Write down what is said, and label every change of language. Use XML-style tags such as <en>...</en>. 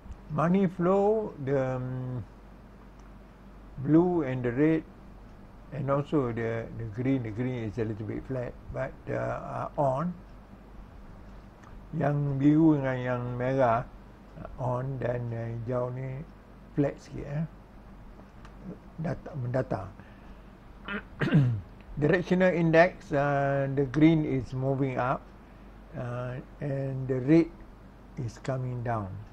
<en>Money flow, the blue and the red, and also the green. The green is a little bit flat, but on.</en> <ms>Yang biru dengan yang merah on, dan hijau ni flat sikit. Mendata.</ms> <en>Directional index, the green is moving up, and the red is coming down.</en>